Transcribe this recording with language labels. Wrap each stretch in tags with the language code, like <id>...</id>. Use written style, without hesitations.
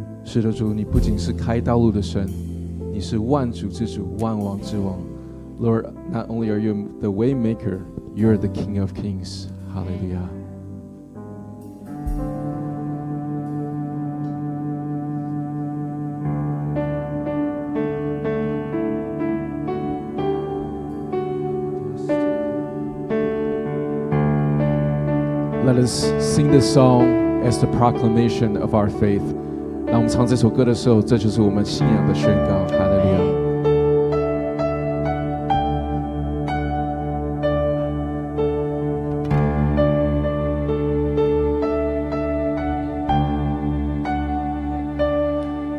<zh>是的，主，你不仅是开道路的神，你是万主之主，万王之王。</zh> <en>Lord, not only are you the way maker, you're the King of Kings. Hallelujah. Let us sing this song as the proclamation of our faith.</en> <zh>当我们唱这首歌的时候，这就是我们信仰的宣告。哈利路亚。</zh>